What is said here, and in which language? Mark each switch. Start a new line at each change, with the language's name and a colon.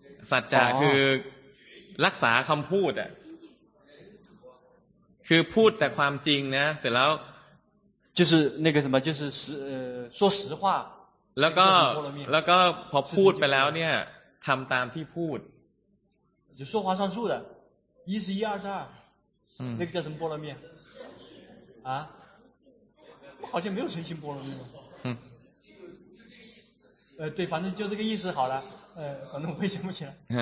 Thai: สัจจะคือรักษาคำพูดอ่ะคือพูดแต่ความจริงนะเสร็จแล้ว
Chinese: 就是那个什么就是实说实话
Thai: แล้วก็พอพูดไปแล้วเนี่ยทำตามที่พูด
Chinese: 就说话算数的一是一二是二那个叫什么波罗蜜啊好像没有诚心波罗蜜对反正就这个意思好了反正我也想不起来